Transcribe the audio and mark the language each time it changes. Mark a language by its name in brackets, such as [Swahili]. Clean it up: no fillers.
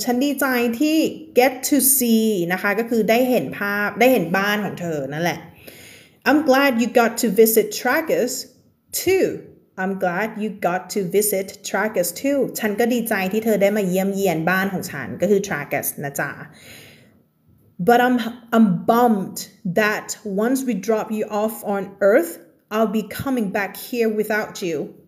[Thai] ฉันดีใจที่ get to see นะคะก็คือได้เห็นภาพได้เห็นบ้านของเธอนั่นแหละ [English] I'm glad you got to visit Tragus too. I'm glad you got to visit Tragus too. [Thai] ฉันก็ดีใจที่เธอได้มาเยี่ยมเยียนบ้านของฉันก็คือ Tragus นะจ๊ะ [English] But I'm bummed that once we drop you off on Earth,I'll be coming back here without you.